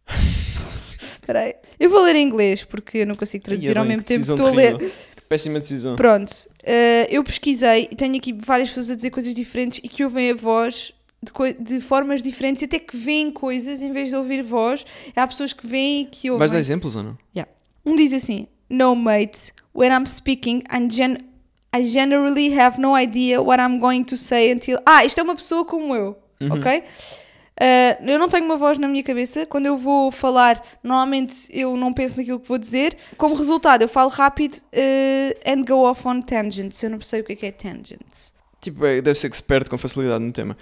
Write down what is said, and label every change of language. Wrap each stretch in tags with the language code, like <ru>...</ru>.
<pt>Espera aí, eu vou ler em inglês, porque eu não consigo traduzir ao mesmo tempo que estou a ler. Péssima decisão. Pronto, eu pesquisei e tenho aqui várias pessoas a dizer coisas diferentes e que ouvem a voz de formas diferentes e até que veem coisas em vez de ouvir voz. Há pessoas que veem e que ouvem. Vais dar exemplos ou não?</pt> <en>Yeah.</en> <pt>Um diz assim,</pt> <en>no mate, when I'm speaking, I generally have no idea what I'm going to say until...</en> <pt>Ah, isto é uma pessoa como eu, ok? Eu não tenho uma voz na minha cabeça. Quando eu vou falar, normalmente eu não penso naquilo que vou dizer. Como resultado, eu falo rápido</pt> <en>and go off on tangents.</en> <pt>Eu não sei o que é tangents. Tipo, deve ser experto com facilidade no tema.</pt>